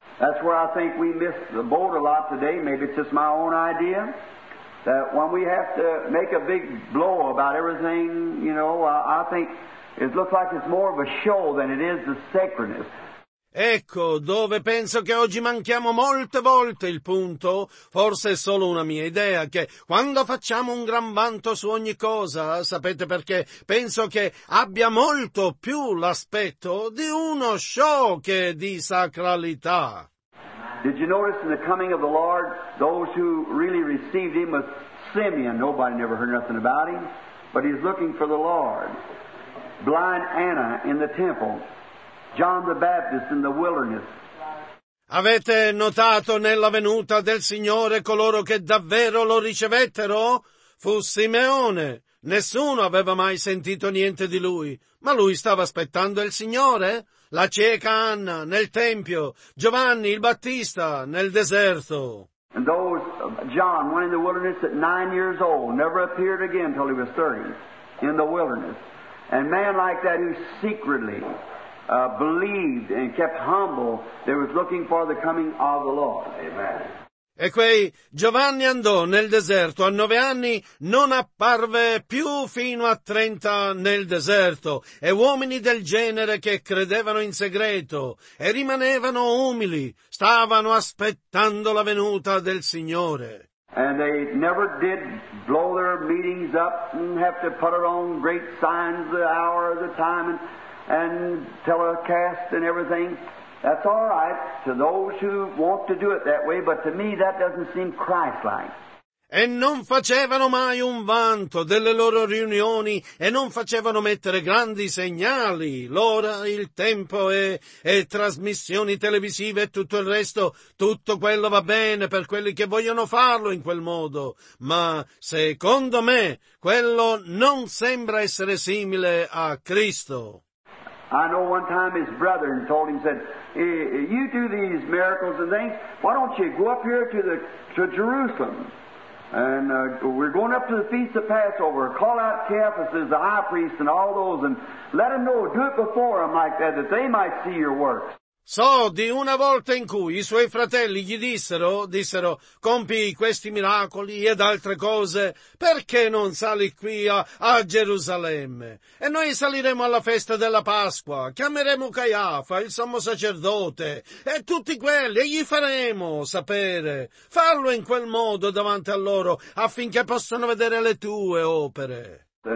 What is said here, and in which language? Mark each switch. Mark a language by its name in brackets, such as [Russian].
[English] That's where I think we miss the boat a lot today. Maybe it's just my own idea. That when we have to make a big blow about everything, you know, I think it looks like it's more of a show than it is the sacredness. [Italian] Ecco dove penso che oggi manchiamo molte volte il punto. Forse è solo una mia idea, che quando facciamo un gran vanto su ogni cosa, sapete perché? Penso che abbia molto più l'aspetto di uno show che di sacralità. [English] Did you notice in the coming of the Lord, those who really received him was Simeon. Nobody never heard nothing about him, but he's looking for the Lord. blind Anna in the temple, John the Baptist in the wilderness. [Italian] Avete notato nella venuta del Signore coloro che davvero lo ricevettero? Fu Simeone. Nessuno aveva mai sentito niente di lui, ma lui stava aspettando il Signore. La cieca Anna nel tempio, Giovanni il Battista nel deserto. [English] And those, John went in the wilderness at 9 years old, never appeared again till he was 30, in the wilderness. And man like that who secretly believed and kept humble, they was looking for the coming of the Lord. Amen. [Italian] E quei Giovanni andò nel deserto, a 9 anni non apparve più fino a 30 nel deserto, e uomini del genere che credevano in segreto e rimanevano umili, stavano aspettando la venuta del Signore. [English] And they never did blow their meetings up and have to put it on great signs the hour of the time and telecast and everything. That's all right to those who want to do it that way, but to me that doesn't seem Christ-like. [Italian] E non facevano mai un vanto delle loro riunioni e non facevano mettere grandi segnali, l'ora, il tempo e trasmissioni televisive e tutto il resto, tutto quello va bene per quelli che vogliono farlo in quel modo, ma secondo me quello non sembra essere simile a Cristo. [English] I know one time his brother told him, said, you do these miracles and things, why don't you go up here to Jerusalem? And we're going up to the Feast of Passover, call out Caiaphas, the high priest, and all those, and let them know, do it before them like that, that they might see your works. [Italian] So di una volta in cui i suoi fratelli gli dissero, compi questi miracoli ed altre cose, perché non sali qui a Gerusalemme? E noi saliremo alla festa della Pasqua, chiameremo Caiafa, il sommo sacerdote, e tutti quelli, e gli faremo sapere, farlo in quel modo davanti a loro, affinché possano vedere le tue opere.